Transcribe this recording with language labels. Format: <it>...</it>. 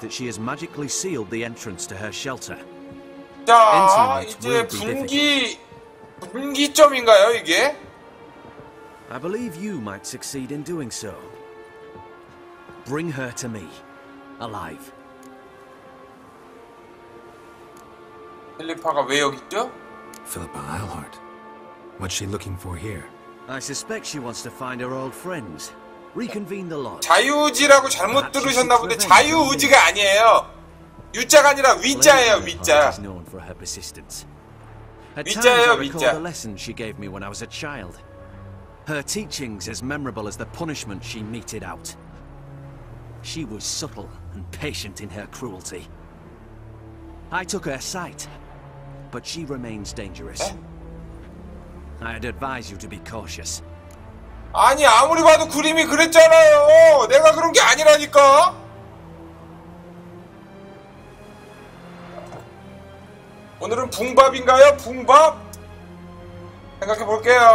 <en>that she has magically sealed the entrance to her shelter.</en> <ko>자, 이제 분기점인가요 이게?</ko> <en>I believe you might succeed in doing so. Bring her to me, alive.</en> <ko>필리파가 왜 여기 있죠?</ko> <en>Philippa Eilhart. What's she looking for here? I suspect she wants to find her old friends. Reconvene the lodge.</en> <ko>자유의지라고 잘못 들으셨나 본데 자유의지가 아니에요. 유자가 아니라 위자예요, 위자. 위자예요, 위자.</ko> <en>The lesson she gave me when I was a child. Her teachings as memorable as the punishment she meted out. She was subtle and patient in her cruelty. I took her sight, but she remains dangerous. I'd advise you to be cautious.</en> <ko>아니 아무리 봐도 그림이 그랬잖아요. 내가 그런 게 아니라니까. 오늘은 붕밥인가요? 붕밥? 생각해 볼게요.</ko>